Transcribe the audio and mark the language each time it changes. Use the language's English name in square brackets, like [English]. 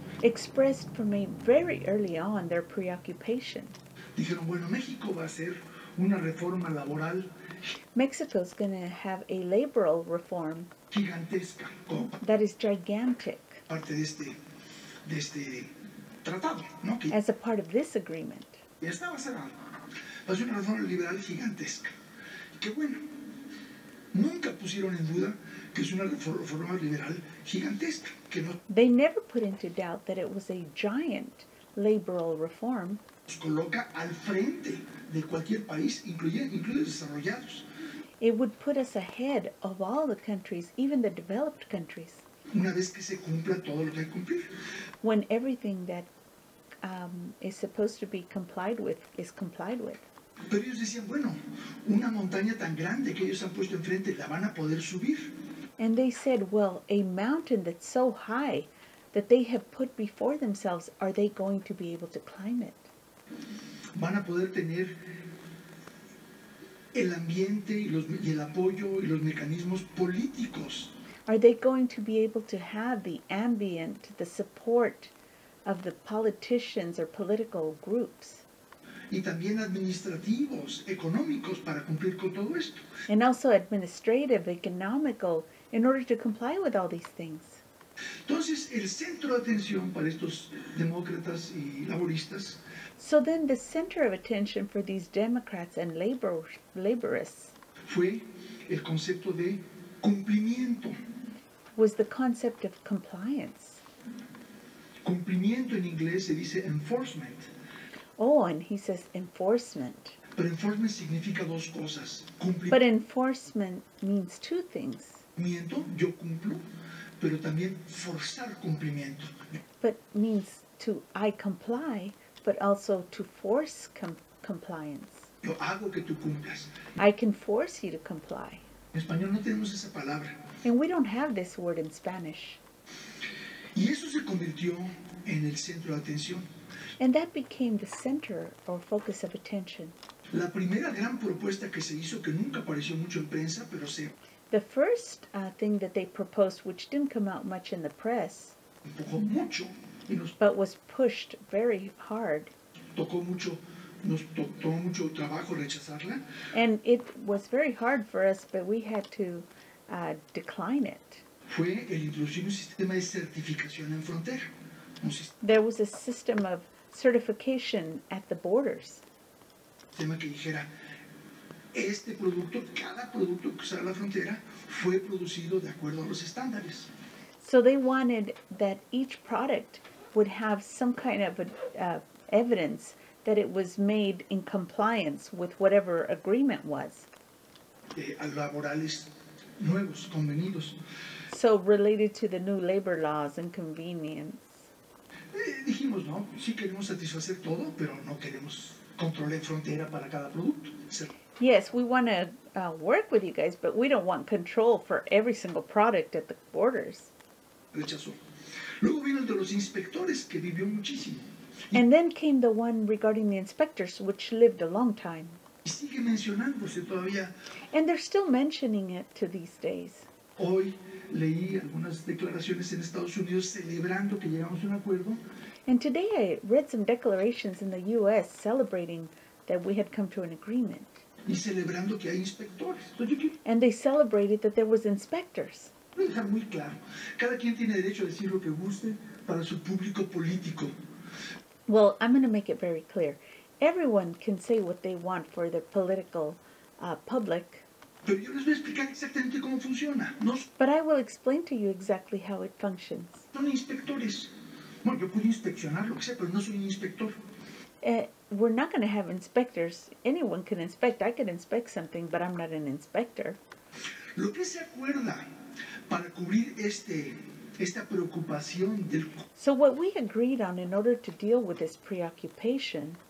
[English] Expressed from a very early on their preoccupation. [Spanish] Dijeron, bueno, México va a hacer una reforma laboral. [English] Mexico's going to have a laboral reform. [Spanish] Gigantesca. [English] That is gigantic. [Spanish] Parte de este tratado, ¿no? Que [English] as a part of this agreement. [Spanish] Y esta va a ser una reforma liberal gigantesca. Qué bueno. Nunca pusieron en duda que es una reforma liberal gigantesca. Que no. [English] They never put into doubt that it was a giant liberal reform. [Spanish] Nos coloca al frente de cualquier país, incluye desarrollados. [English] It would put us ahead of all the countries, even the developed countries. [Spanish] Una vez que se cumpla todo lo que hay que cumplir. [English] When everything that is supposed to be complied with is complied with. [Spanish] Pero ellos decían, bueno, una montaña tan grande que ellos han puesto enfrente, ¿la van a poder subir? [English] And they said, well, a mountain that's so high that they have put before themselves, are they going to be able to climb it? [Spanish] ¿Van a poder tener el ambiente y el apoyo y los mecanismos políticos? [English] Are they going to be able to have the ambient, the support of the politicians or political groups? [Spanish] Y también administrativos, económicos, para cumplir con todo esto. [English] And also administrative, economical, in order to comply with all these things. [Spanish] Entonces, el centro de atención para estos demócratas y laboristas. [English] So then the center of attention for these Democrats and laborists [Spanish] fue el concepto de cumplimiento. [English] Was the concept of compliance. [Spanish] Cumplimiento en inglés se dice enforcement. [English] Oh, and he says enforcement. [Spanish] Pero enforcement significa dos cosas. [English] But enforcement means two things. [Spanish] Miento, yo cumplo, pero también forzar cumplimiento. [English] But means to I comply, but also to force compliance. [Spanish] Yo hago que tú cumplas. [English] I can force you to comply. [Spanish] En español no tenemos esa palabra. [English] And we don't have this word in Spanish. [Spanish] Y eso se convirtió en el centro de atención. [English] And that became the center or focus of attention. [Spanish] La primera gran propuesta que se hizo, que nunca apareció mucho en prensa, pero se... [English] The first thing that they proposed, which didn't come out much in the press, [Spanish] empujó mucho, [English] but was pushed very hard. [Spanish] Tocó mucho, nos tomó mucho trabajo rechazarla. [English] And it was very hard for us, but we had to decline it. [Spanish] Fue el introducir un sistema de certificación en frontera. [English] There was a system of certification at the borders. [Spanish] Tema que dijera, este producto, cada producto que sale a la frontera, fue producido de acuerdo a los estándares. [English] So they wanted that each product would have some kind of evidence that it was made in compliance with whatever agreement was. [Spanish] Laborales nuevos, convenidos. [English] So related to the new labor laws and convenience. [Spanish] Dijimos, no, sí queremos satisfacer todo, pero no queremos control en frontera para cada producto. [English] Yes, we want to work with you guys, but we don't want control for every single product at the borders. [Spanish] Rechazó. Luego vino el de los inspectores, que vivió muchísimo. [English] And then came the one regarding the inspectors, which lived a long time. [Spanish] Y sigue mencionándose todavía. [English] And they're still mentioning it to these days. [Spanish] Hoy leí algunas declaraciones en Estados Unidos celebrando que llegamos a un acuerdo. [English] And today I read some declarations in the U.S. celebrating that we had come to an agreement. [Spanish] Y celebrando que hay inspectores. [English] And they celebrated that there was inspectors. [Spanish] Voy a dejar muy claro. Cada quien tiene derecho a decir lo que guste para su público político. [English] Well, I'm going to make it very clear. Everyone can say what they want for their political public. [Spanish] Pero yo les voy a explicar exactamente cómo funciona. [English] But I will explain to you exactly how it functions. [Spanish] Son inspectores. Bueno, yo puedo inspeccionar lo que sea, pero no soy un inspector. [English] We're not going to have inspectors. Anyone can inspect. I can inspect something, but I'm not an inspector. [Spanish] Lo que se acuerda para cubrir esta preocupación del... [English] So what we agreed on in order to deal with this preoccupation...